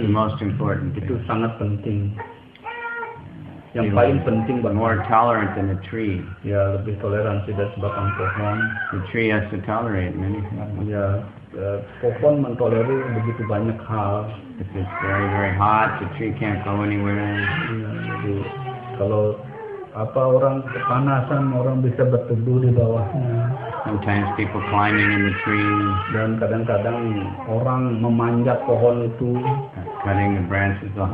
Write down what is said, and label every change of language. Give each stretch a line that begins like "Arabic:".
English: That's the most important thing.
Indonesian: Itu sangat penting. Yang paling penting bahwa
English: more tolerant than a tree.
Indonesian: Ya, lebih toleransi dari sebatang pohon.
English: The tree has to tolerate many
Indonesian: things. Ya, pohon mentolerir begitu banyak hal.
English: If it's very, very hot, the tree can't go anywhere.
Indonesian: Ya, jadi kalau orang kepanasan, orang bisa berteduh di bawahnya.
English: Sometimes people climbing in the tree.
Indonesian: Dan kadang-kadang orang memanjat pohon itu.
English: Cutting the branches off.